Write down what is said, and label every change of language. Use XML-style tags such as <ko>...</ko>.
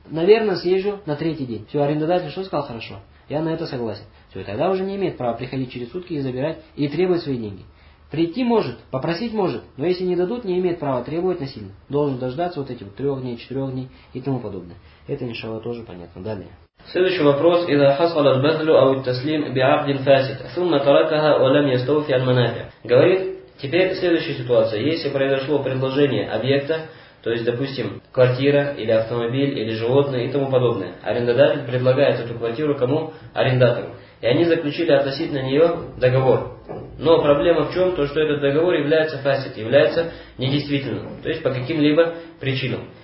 <ru>Наверное, съезжу на третий день. Все, арендодатель что сказал? Хорошо. Я на это согласен. Все, тогда уже не имеет права приходить через сутки и забирать, и требовать свои деньги. Прийти может, попросить может. Но если не дадут, не имеет права требовать насильно. Должен дождаться вот этих 3 дней, 4 дней и тому подобное. Это, иншалла, тоже понятно. Далее. Следующий вопрос.</ru> <ar>إذا حصل البذل أو التسليم بعقد فاسد ثم تركها ولم يستوفي المنافع.</ar> <ru>Говорит... Теперь следующая ситуация. Если произошло предложение объекта, то есть, допустим, квартира или автомобиль или животное и тому подобное, арендодатель предлагает эту квартиру кому? Арендатору. И они заключили относительно нее договор. Но проблема в чем? То, что этот договор является фасит, является недействительным, то есть по каким-либо причинам.</ru>